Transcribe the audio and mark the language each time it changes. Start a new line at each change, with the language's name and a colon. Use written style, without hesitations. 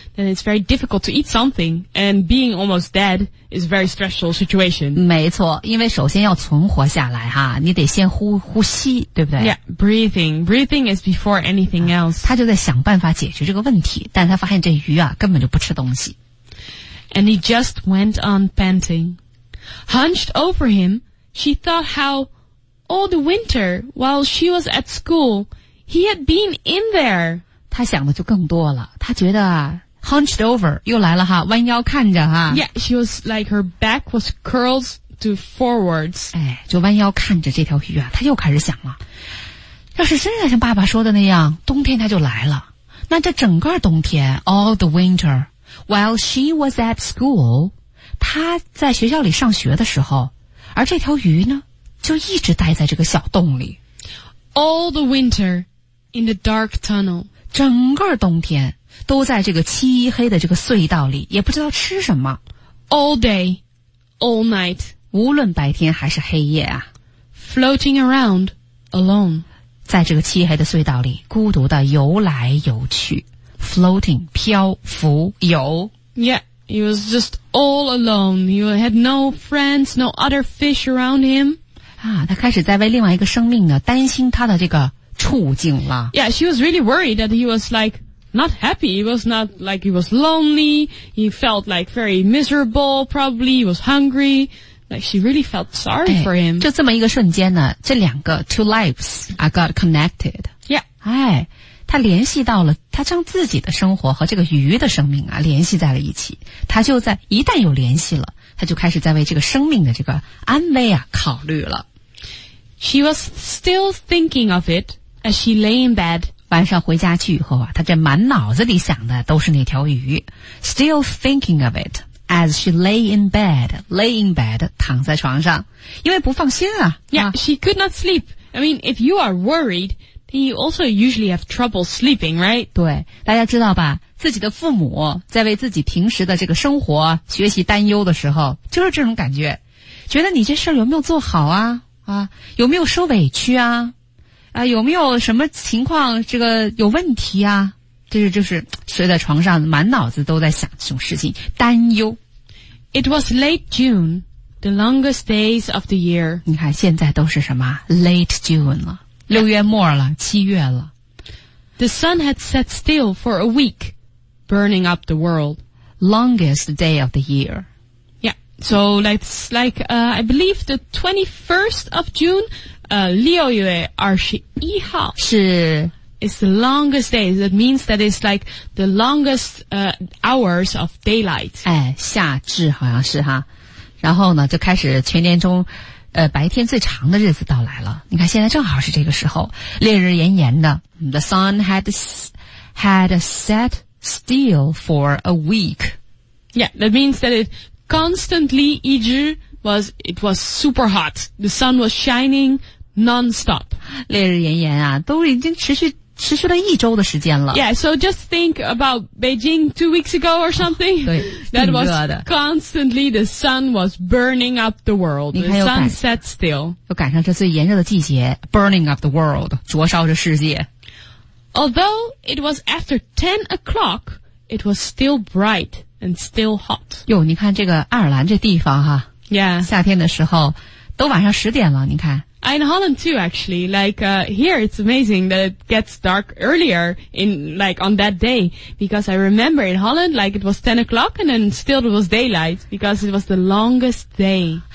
English: And it's very difficult to eat something, and being almost dead is a very stressful situation.
Chinese: 没错，因为首先要存活下来哈，你得先呼吸，对不对
English: ？Yeah, breathing. Breathing is before anything else.
Chinese: 他就在想办法解决这个问题，但他发现这鱼啊根本就不吃东西。
English: And he just went on panting, hunched over him. She thought how all the winter while she was at school, he had been in there.
Chinese: 他想的就更多了，他觉得。
English: Hunched over,
Chinese: 又来了哈，弯腰看着哈。
English: Yeah, she was like her back was curled to forwards.
Chinese: 哎，就弯腰看着这条鱼啊，他又开始想了。要是真的像爸爸说的那样，冬天他就来了。那这整个冬天 ,
English: all the winter, while she was at school,
Chinese: 他在学校里上学的时候，而这条鱼呢，就一直待在这个小洞里。
English: All the winter, in the dark tunnel.
Chinese: 整个冬天。都在这个漆黑的这个隧道里也不知道吃什么
English: All day All night
Chinese: 无论白天还是黑夜啊
English: Floating around Alone
Chinese: 在这个漆黑的隧道里孤独的游来游去 Floating 漂浮游
English: Yeah He was just all alone He had no friends No other fish around him
Chinese: 啊，他开始在为另外一个生命呢担心他的这个处境了
English: Yeah She was really worried that he was likeNot happy, he was not like he was lonely, he felt like very miserable, probably he was hungry, like she really felt sorry for him.
Chinese: 就这么一个瞬间呢，这两个
English: two lives are got connected. Yeah.
Chinese: 哎，他联系到了，他将自己的生活和这个鱼的生命啊联系在了一起。他就在一旦有联系了，他就开始在为这个生命的这个安危啊考虑了。
English: She was still thinking of it as she lay in bed.
Chinese: 晚上回家去以后啊，他这满脑子里想的都是那条鱼。
English: Still thinking of it as she lay in bed,
Chinese: 躺在床上，因为不放心啊。
English: Yeah, she could not sleep. I mean, if you are worried, then you also usually have trouble sleeping, right?
Chinese: 对，大家知道吧？自己的父母在为自己平时的这个生活、学习担忧的时候，就是这种感觉，觉得你这事儿有没有做好啊？啊，有没有受委屈啊？啊，有没有什么情况这个有问题啊？就是睡在床上，满脑子都在想这种事情，担忧。
English: It was late June, the longest days of the year.
Chinese: 你看现在都是什么
English: late June
Chinese: 了，六月末了，七月了。
English: The sun had set still for a week, burning up the world. Longest day of the year. So that's like, I believe the 21st of June,
Chinese: 六月二十一号是
English: It's the longest day. That means that it's like the longest, hours of daylight.
Chinese: 哎，夏至好像是哈。然后呢，就开始全年中，白天最长的日子到来了。你看现在正好是这个时候，烈日炎炎的。
English: The sun had set still for a week. Yeah, that means that it constantly,
Chinese: 一直
English: was super hot. The sun was shining non-stop.
Chinese: 烈日炎炎啊，都已经持续了一周的时间了。
English: Yeah, so just think about Beijing 2 weeks ago or something.
Chinese: 对，挺热的。
English: That was constantly the sun was burning up the world. The sun set still.
Chinese: 又赶上这最炎热的季节 ,
English: burning up the world,
Chinese: 灼烧着世界。
English: Although it was after 10 o'clock, it was still bright. And still hot.
Chinese: 哟，你看这个爱尔兰这地方哈。
English: Yeah.
Chinese: 夏天的时候都晚上十点了你看。
English: In Holland too, actually. Like, here it's amazing that it gets dark earlier in, like, on that day. Because I remember in Holland, like, it was 10 o'clock and then still it was daylight because it was the longest day.